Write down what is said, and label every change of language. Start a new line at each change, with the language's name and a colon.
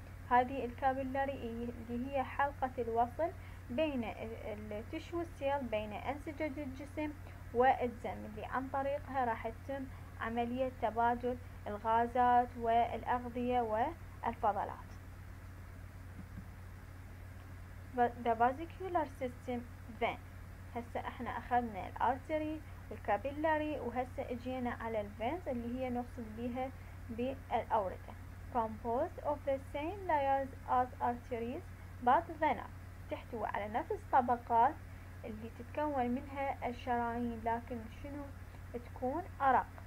Arabic: هذه الكابيلاري اللي هي حلقة الوصل بين التشو سيل بين انسجة الجسم والدم، اللي عن طريقها راح تتم عملية تبادل الغازات والاغذية والفضلات.
English: The vascular system vein.
Arabic: هسه احنا اخذنا الارتري والكابيلاري، وهسه اجينا على الفينز اللي هي نقصد بها بالاوردة.
English: Composed of the same layers as arteries but thinner.
Arabic: تحتوي على نفس طبقات اللي تتكون منها الشرايين، لكن شنو تكون ارق.